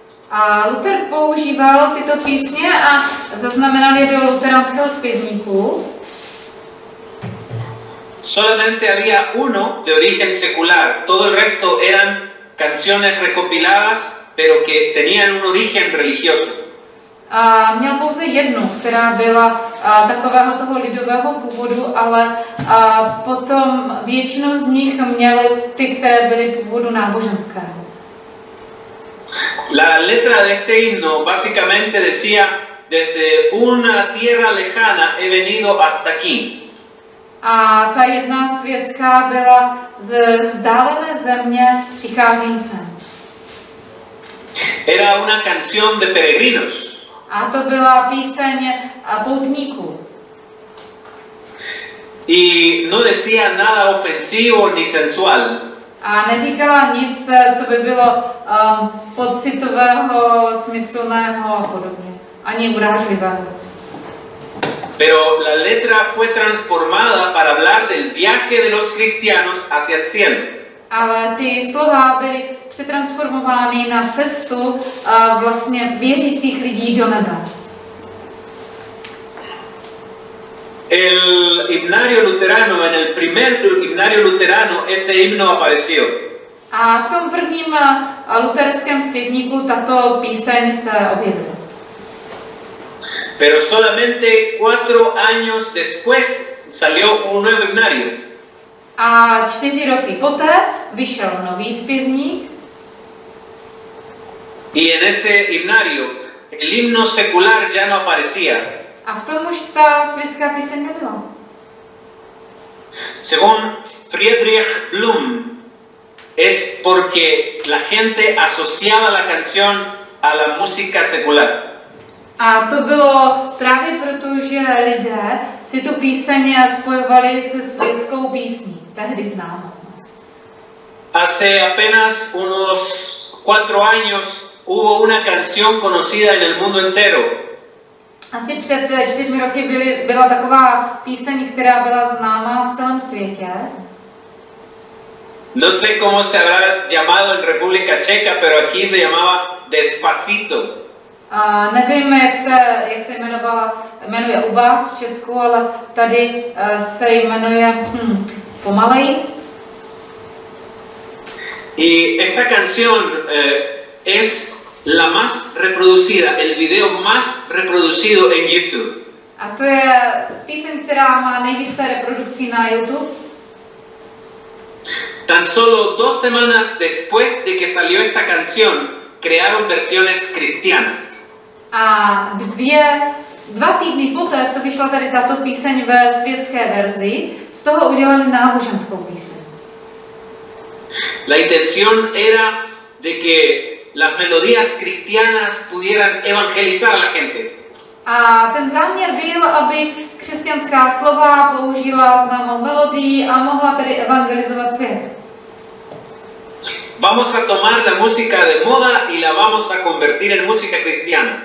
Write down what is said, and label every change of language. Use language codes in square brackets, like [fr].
[cs] A Luther používal tyto písně a zaznamenal je do luteránského zpěvníku. [es] Solamente había uno de origen secular, todo el resto eran canciones recopiladas, pero que tenían un origen religioso. [cs] A měl pouze jednu, která byla takového toho lidového původu, ale potom většinu z nich měly ty, které byly původu náboženského. [es] La letra de este himno básicamente decía: desde una tierra lejana he venido hasta aquí. [cs] A ta jedna světská byla: z vzdálené země přicházím sem. [es] Era una canción de peregrinos. [cs] A to byla píseň poutníků. [es] Y no decía nada ofensivo ni sensual. [cs] A neříkala nic, co by bylo pocitového, smyslného a podobně. Ani urážlivého. [es] Pero la letra fue transformada para hablar del viaje de los cristianos hacia el cielo. [cs] Ale ty slova byly přetransformovány na cestu vlastně věřících lidí do nebe. [es] El himnario luterano, en el primer himnario luterano, ese himno apareció. [cs] A v tom prvním luterském zpěvníku tato píseň se objevila. [es] Pero solamente 4 años después salió un nuevo himnario. [cs] A 4 roky poté vyšel nový zpěvník. [es] Y en ese himnario el himno secular ya no aparecía. [cs] A v tom už ta světská píseň nebyla. [es] Según Friedrich Blum, es porque la gente asociaba la canción a la música secular. [cs] A to bylo právě proto, že lidé si tu píseň spojovali se světskou písní, tehdy známou. [es] Hace apenas unos 4 años hubo una canción conocida en el mundo entero. [cs] Asi před 4 roky byla taková píseň, která byla známá v celém světě. [es] No sé cómo se habrá llamado en República Checa, pero aquí se llamaba Despacito. [cs] Nevím, jak se jmenuje u vás v Česku, ale tady se jmenuje Pomalej. [es] Y esta canción es la más reproducida, el video más reproducido en YouTube. [cs] A to je píseň, která má nejvíce reprodukcí na YouTube. [es] Tan solo 2 semanas después de que salió esta canción, crearon versiones cristianas. [cs] A dva týdny poté, co vyšla tady tato píseň ve světské verzi, z toho udělali náboženskou píseň. [es] La intención era de que las melodías cristianas pudieran evangelizar a la gente. [cs] A ten záměr byl, aby křesťanská slova použila známou melodii a mohla tedy evangelizovat svět. [es] Vamos a tomar la música de moda y la vamos a convertir en música cristiana.